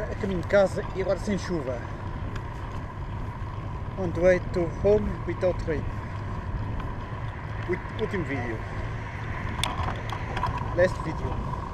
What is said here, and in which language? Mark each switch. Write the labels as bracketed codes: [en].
[pt] Em casa e agora sem chuva. [en] On the way to home without rain. [pt] Último vídeo. [en] Last video.